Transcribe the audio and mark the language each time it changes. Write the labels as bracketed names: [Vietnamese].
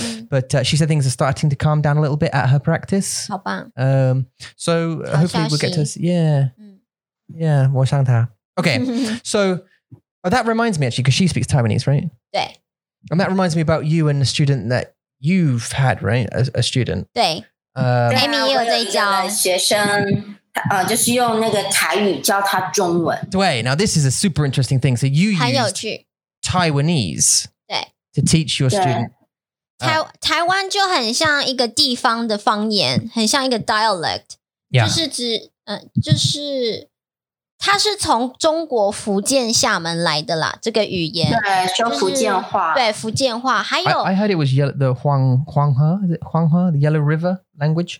[English] But she said things are starting to calm down a little bit at her practice. [Chinese] 好棒。 [English] So hopefully we'll get to see, yeah. Yeah, [Chinese] 我想她。 [English] Okay, so that reminds me actually, because she speaks Taiwanese, right? [Chinese] 对。 [English] And that reminds me about you and the student that,You've had, right, a student. [Chinese] 对，Amy 也有在教学生，就是用那个台语教他中文。 [English] 对，now this is a super interesting thing. So you used [Chinese] 很有趣 [English] Taiwanese [Chinese] 对 [English] to teach your student. [Chinese] 台湾就很像一个地方的方言，很像一个 dialect， 就是指就是它是从中国福建厦门来的啦，这个语言对，说福建话、就是、对福建话，还有 [English] I heard it was yellow, the Huanghe, is it Huanghe, the Yellow River language.